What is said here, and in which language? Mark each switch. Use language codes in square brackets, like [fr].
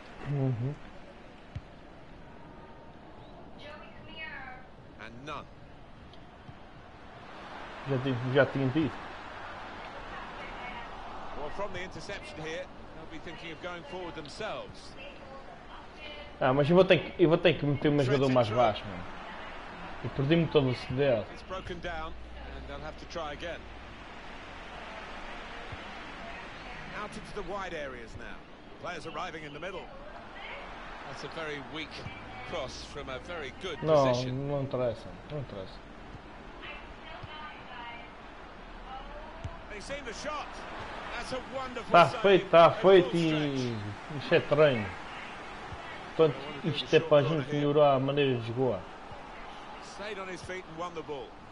[en] And none. [pt] Já tinha dito. [en] Well, from the interception here, they'll be thinking of going forward themselves. [pt] Ah, mas eu vou ter que meter o meu jogador mais baixo, mano. Eu perdi-me todo o CDL. [en] It's broken down and they'll have to try again. Out into the wide areas now. Players arriving in the middle. That's a very weak cross from a very good position. [pt] Não interessa. [en] They've seen the shot. That's a wonderful save. [pt] Tá feito. Isto é treino. Portanto, isto é para a gente melhorar a maneira de jogar. [en] Stayed on his feet and won the ball.